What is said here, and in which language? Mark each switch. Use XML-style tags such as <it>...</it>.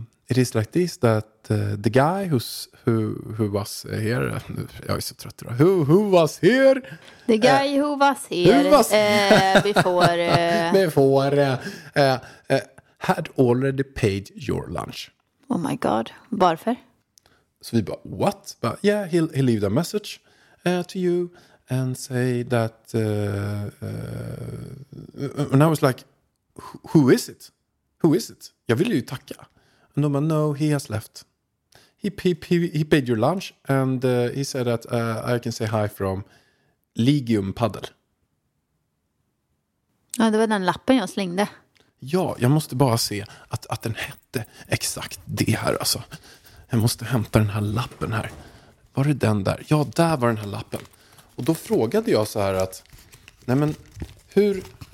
<en>It is like this, that the guy who was here,</en> <sv>jag är så trött då.</sv> <en>Who was here? The guy who was here before had already paid your lunch. Oh my god,</en> <sv>varför? Så vi bara,</sv> <en>what? But yeah, he leave a message to you and say that, and I was like, who is it?</en> <sv>Jag ville ju tacka. Men de bara,</sv> <en>no, he has left. he paid your lunch and he said that I can say hi from Legium Paddle.</en> <sv>Ja, det var den lappen jag slängde. Ja, jag måste bara se att den hette exakt det här alltså. Jag måste hämta den här lappen här. Var är den där? Ja, där var den här lappen. Och då frågade jag så här att nej men hur.</sv>